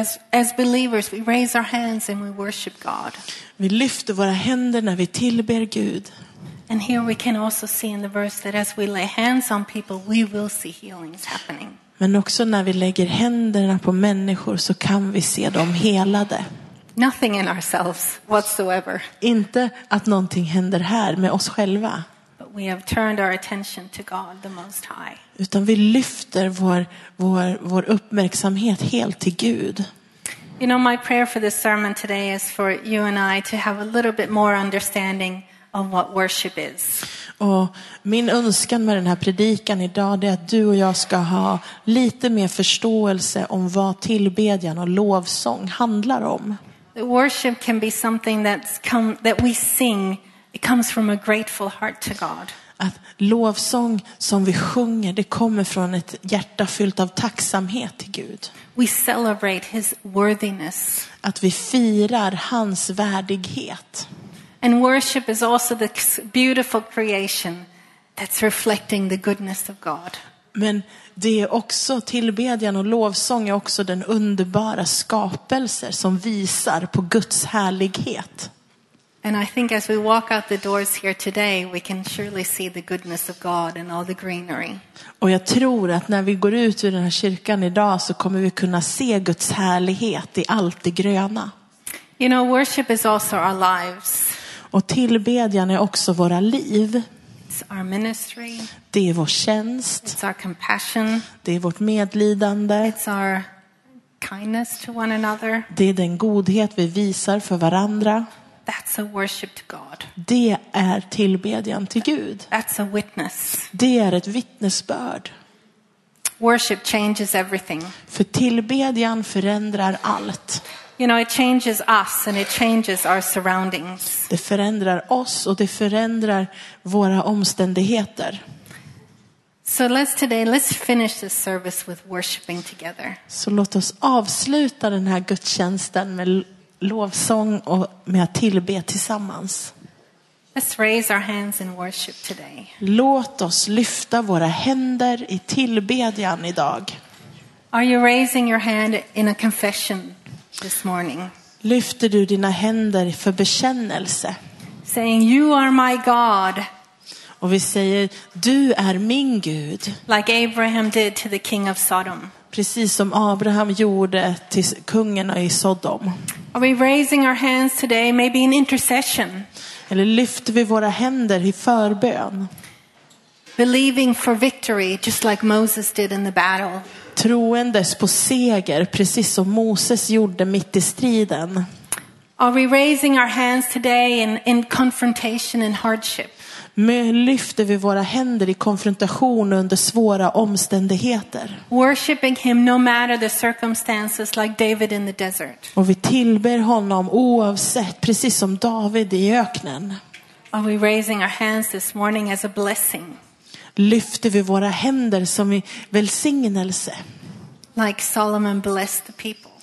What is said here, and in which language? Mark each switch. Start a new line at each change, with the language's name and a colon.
English: As believers we raise our hands and we worship God.
Swedish: Vi lyfter våra händer när vi tillber Gud.
English: And here we can also see in the verse that as we lay hands on people we will see healings happening.
Swedish: Men också när vi lägger händerna på människor så kan vi se dem helade.
English: Nothing in ourselves whatsoever.
Swedish: Inte att någonting händer här med oss själva.
English: But we have turned our attention to God the Most High.
Swedish: Utan vi lyfter vår uppmärksamhet helt till Gud.
English: You know, my prayer for this sermon today is for you and I to have a little bit more understanding of what worship is.
Swedish: Och min önskan med den här predikan idag är att du och jag ska ha lite mer förståelse om vad tillbedjan och lovsång handlar om.
English: The worship can be something that we sing. It comes from a grateful heart to God.
Swedish: Att lovsång som vi sjunger, det kommer från ett hjärta fyllt av tacksamhet till Gud.
English: We celebrate his worthiness.
Swedish: Att vi firar hans värdighet.
English: And worship is also the beautiful creation that's reflecting the goodness of God.
Swedish: Men det är också tillbedjan och lovsång är också den underbara skapelser som visar på Guds härlighet.
English: And I think as we walk out the doors here today we can surely see the goodness of God and all the greenery.
Swedish: Och jag tror att när vi går ut ur den här kyrkan idag så kommer vi kunna se Guds härlighet i allt det gröna.
English: You know, worship is also our lives.
Swedish: Och tillbedjan är också våra liv.
English: It's our ministry.
Swedish: Det är vår tjänst.
English: It's our compassion.
Swedish: Det är vårt medlidande.
English: It's our kindness to one another.
Swedish: Det är den godhet vi visar för varandra.
English: That's a worship to God.
Swedish: Det är tillbedjan till Gud.
English: That's a witness.
Swedish: Det är ett vittnesbörd.
English: Worship changes everything.
Swedish: För tillbedjan förändrar allt.
English: You know, it changes us and it changes our surroundings.
Swedish: Det förändrar oss och det förändrar våra omständigheter.
English: So let's finish this service with worshiping together.
Swedish: Så låt oss avsluta den här gudstjänsten med lovsång och med att tillbe tillsammans.
English: Let's raise our hands in worship today.
Swedish: Låt oss lyfta våra händer i tillbedjan idag.
English: Are you raising your hand in a confession? This morning.
Swedish: Lyfter du dina händer för bekännelse?
English: Saying you are my God.
Swedish: Och vi säger du är min Gud.
English: Like Abraham did to the king of Sodom.
Swedish: Precis som Abraham gjorde till kungen i Sodom.
English: Are we raising our hands today maybe in intercession?
Swedish: Eller lyfter vi våra händer i förbön?
English: Believing for victory just like Moses did in the battle.
Swedish: Troendes på seger precis som Moses gjorde mitt i striden.
English: Are we raising our hands today in confrontation and hardship?
Swedish: Lyfter vi våra händer i konfrontation under svåra omständigheter?
English: Worshiping him no matter the circumstances like David in the desert.
Swedish: Och vi tillber honom oavsett precis som David i öknen.
English: Are we raising our hands this morning as a blessing?
Swedish: Lyfter vi våra händer som i välsignelse.
English: Like Solomon blessed the people.